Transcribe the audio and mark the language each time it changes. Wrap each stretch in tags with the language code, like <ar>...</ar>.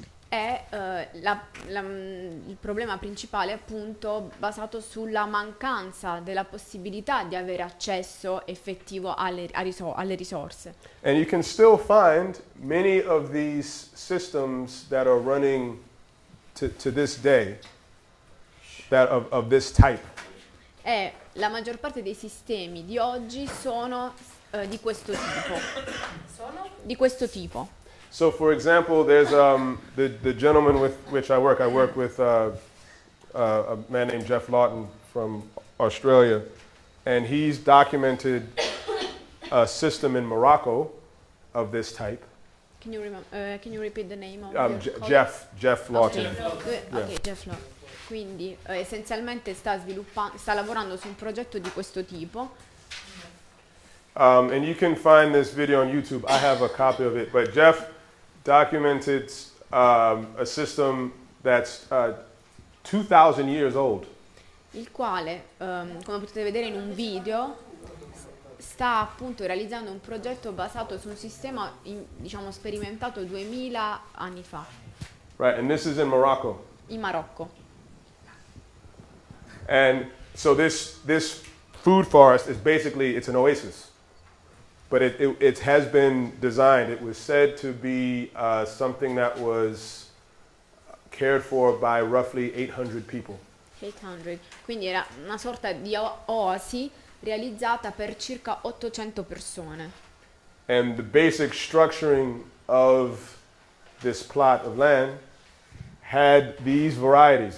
<it>È il problema principale appunto basato sulla mancanza della possibilità di avere accesso effettivo alle risorse.</it> <en>And you can still find many of these systems that are running to this day that of this type.</en> <it>E la maggior parte dei sistemi di oggi sono di questo tipo. Di questo tipo.</it> <en>So for example there's the gentleman with which I work with a man named Jeff Lawton from Australia, and he's documented a system in Morocco of this type. Can you repeat the name of Jeff Lawton. Okay, Jeff Lawton.</en> <it>Quindi essenzialmente sta lavorando su un progetto di questo tipo.</it> <en>And you can find this video on YouTube. I have a copy of it. But Jeff documented a system that's 2,000 years old.</en> <it>Il quale, come potete vedere in un video, sta appunto realizzando un progetto basato su un sistema, diciamo, sperimentato 2,000 anni fa.</it> <en>Right, and this is in Morocco.</en> <it>In Marocco.</it> <en>And so this food forest is basically, it's an oasis. But it has been designed. It was said to be something that was cared for by roughly 800 people. 800.</en> <it>Quindi era una sorta di oasi realizzata per circa 800 persone.</it> <en>And the basic structuring of this plot of land had these varieties.</en>